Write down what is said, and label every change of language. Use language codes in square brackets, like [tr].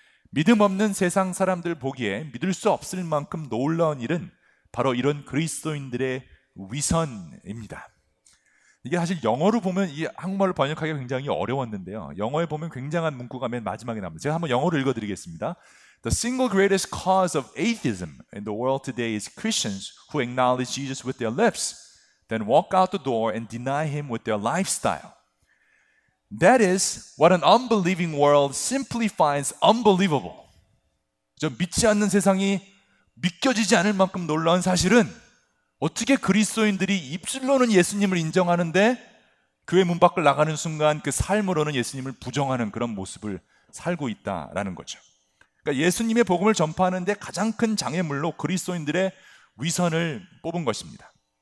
[ko] 믿음 없는 세상 사람들 보기에 믿을 수 없을 만큼 놀라운 일은 바로 이런 그리스도인들의 위선입니다. 이게 사실 영어로 보면 이 한국말로 번역하기가 굉장히 어려웠는데요. 영어에 보면 굉장한 문구가 맨 마지막에 나옵니다. 제가 한번 영어로 읽어드리겠습니다. [en] The single greatest cause of atheism in the world today is Christians who acknowledge Jesus with their lips, then walk out the door and deny him with their lifestyle. That is what an unbelieving world simply finds unbelievable. [ko] 저 믿지 않는 세상이 믿겨지지 않을 만큼 놀라운 사실은 어떻게 그리스도인들이 입술로는 예수님을 인정하는데 교회 문 밖을 나가는 순간 그 삶으로는 예수님을 부정하는 그런 모습을 살고 있다라는 거죠. 그러니까 예수님의 복음을 전파하는데 가장 큰 장애물로 그리스도인들의 위선을 뽑은 것입니다.